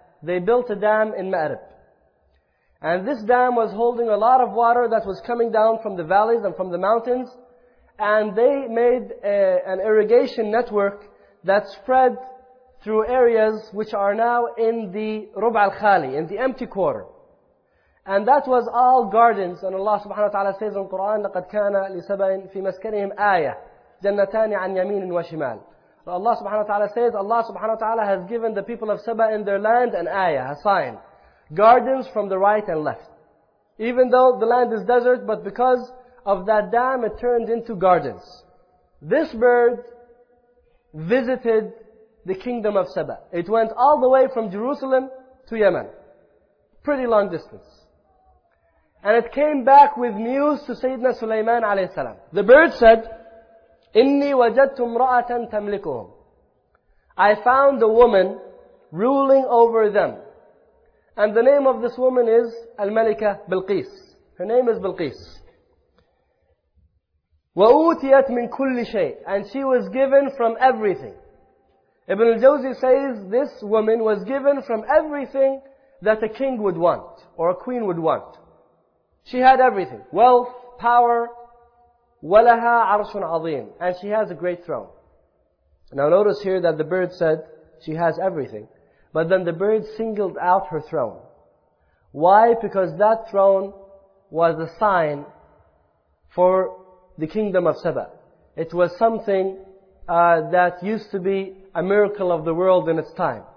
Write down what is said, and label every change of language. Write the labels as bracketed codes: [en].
[en] They built a dam in Ma'rib. And this dam was holding a lot of water that was coming down from the valleys and from the mountains. And they made an irrigation network that spread through areas which are now in the Rub al-Khali, in the empty quarter. And that was all gardens. And Allah subhanahu wa ta'ala says in the Quran, [ar] لَقَدْ كَانَ لِسَبَئٍ فِي مَسْكَنِهِمْ آيَةٍ جَنَّتَانِ عَنْ يَمِينٍ وَشِمَالٍ. [en] Allah subhanahu wa ta'ala says, Allah subhanahu wa ta'ala has given the people of Saba in their land an ayah, a sign. Gardens from the right and left. Even though the land is desert, but because of that dam, it turned into gardens. This bird visited the kingdom of Saba. It went all the way from Jerusalem to Yemen. Pretty long distance. And it came back with news to Sayyidina Sulaiman alayhi salam. The bird said, [ar] إِنِّي وَجَدْتُ امْرَأَةً تَمْلِكُهُمْ. [en] I found a woman ruling over them. And the name of this woman is Al-Malika Bilqis. Her name is Bilqis. [ar] وَأُوْتِيَتْ مِنْ كُلِّ شَيْءٍ. [en] And she was given from everything. Ibn al-Jawzi says this woman was given from everything that a king would want or a queen would want. She had everything. Wealth, power, [ar] وَلَهَا عَرْشٌ عَظِيمٌ. [en] And she has a great throne. Now notice here that the bird said she has everything. But then the bird singled out her throne. Why? Because that throne was a sign for the kingdom of Saba. It was something that used to be a miracle of the world in its time.